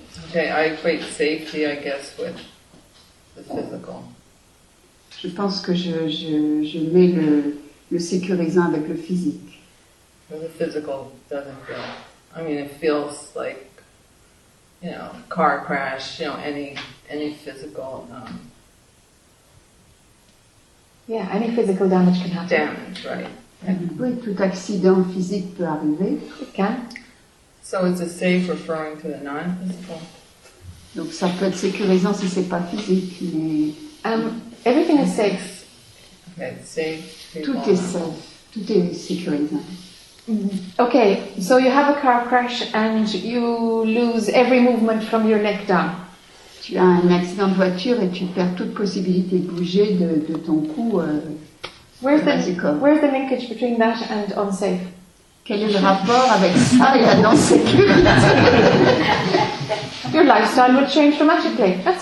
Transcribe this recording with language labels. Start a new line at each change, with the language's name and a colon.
English: Okay, I equate safety, I guess, with the physical.
French: Je pense que je mets le sécurisant avec le physique.
English: But the physical doesn't feel. I mean, it feels like, you know, car crash. You know, any physical. Any physical damage can happen. Damage, right?
French: Mm-hmm. Oui, tout accident physique peut arriver.
English: Okay. So is it safe referring to the non-physical?
French: Donc ça peut être sécurisant si c'est pas physique, mais
English: Everything is safe. Okay, safe.
French: Tout est safe. Tout est sécurisant. Mm-hmm.
English: Okay, so you have a car crash and you lose every movement from your neck down.
French: Tu as un accident de voiture et tu perds toute possibilité de bouger de ton cou.
English: Where's the linkage between that and unsafe?
French: Quel est le rapport avec ça et la non-sécurité?
English: Your lifestyle would change dramatically. That's